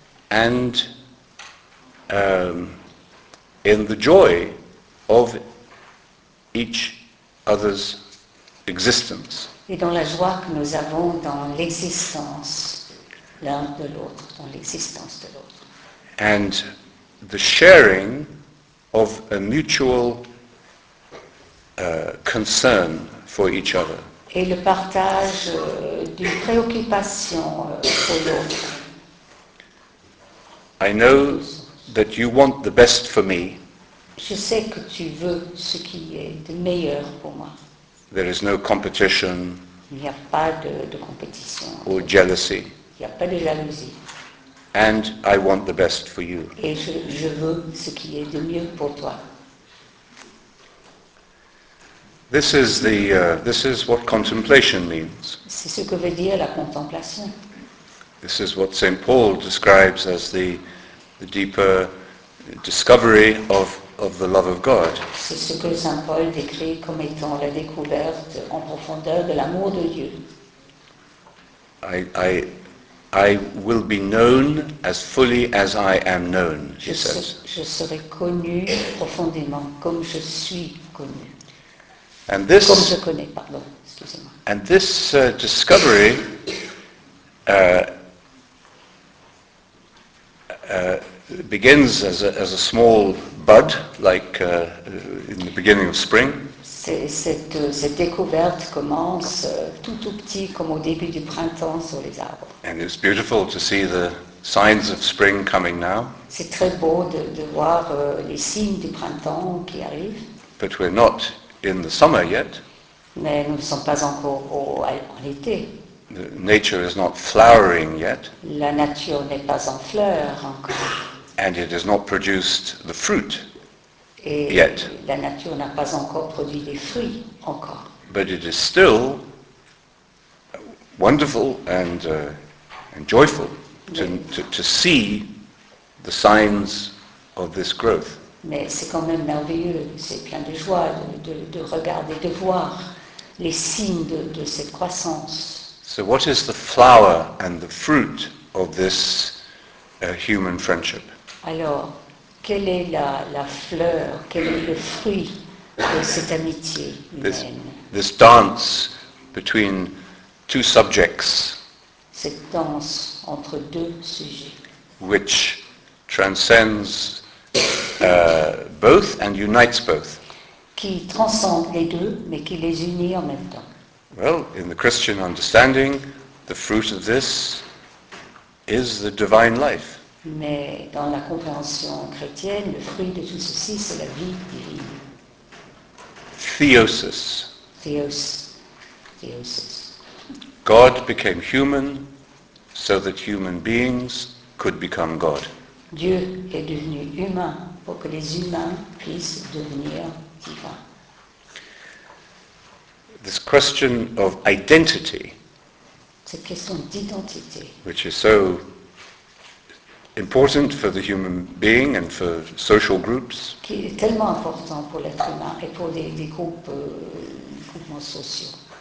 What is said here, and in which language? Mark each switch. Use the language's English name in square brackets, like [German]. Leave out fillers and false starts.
[English] And in the joy of each other's existence. [French] Et dans la joie que nous avons dans l'existence l'un de l'autre, dans l'existence de l'autre. [English] And the sharing of a mutual concern for each other. [French] Et le partage d'une préoccupation pour l'autre. [English] I know that you want the best for me. [French] Je sais que tu veux ce qui est de meilleur pour moi. [English] There is no competition. [French] Il n'y a pas de compétition. [English] Or jealousy. [French] Il n'y a pas de jalousie. [English] And I want the best for you. [French] Et je veux ce qui est de mieux pour toi. [English] This is the this is what contemplation means. [French] C'est ce que veut dire la contemplation. [English] This is what Saint Paul describes as the deeper discovery of the love of God. [French] C'est ce que Saint Paul décrit comme étant la découverte en profondeur de l'amour de Dieu. [English] I will be known as fully as I am known, he says. [French] Je serai connu profondément comme je suis connu. [English] And this, [French] comme je connais, pardon, excusez-moi. [English] And this discovery begins as a small bud, like in the beginning of spring. [French] Cette découverte commence tout petit, comme au début du printemps sur les arbres. [English] And it's beautiful to see the signs of spring coming now. [French] C'est très beau de voir les signes du printemps qui arrivent. [English] But we're not in the summer yet. [French] Mais nous ne sommes pas encore en été. [English] The nature is not flowering yet. [French] La nature n'est pas en fleur encore. [English] And it has not produced the fruit. [French] Et [English] yet. [French] La nature n'a pas encore produit les fruits encore. [English] But it is still wonderful and joyful to see the signs of this growth. [French] Mais c'est quand même merveilleux, c'est plein de joie de regarder, de voir les signes de cette croissance. [English] So what is the flower and the fruit of this human friendship? [French] Alors, quelle est la fleur, quel est le fruit de cette amitié humaine? [English] This dance between two subjects. [French] Cette danse entre deux sujets. [English] Which transcends both and unites both. [French] Qui transcende les deux, mais qui les unit en même temps. [English] Well, in the Christian understanding, the fruit of this is the divine life. [French] Mais dans la compréhension chrétienne, le fruit de tout ceci, c'est la vie divine. [English] Theosis. [French] Theosis. [English] God became human so that human beings could become God. [French] Dieu est devenu humain pour que les humains puissent devenir divins. [English] This question of identity, [French] cette question d'identité, [English] which is so important for the human being and for social groups, [French] qui est tellement important pour l'être humain et pour des groupements sociaux.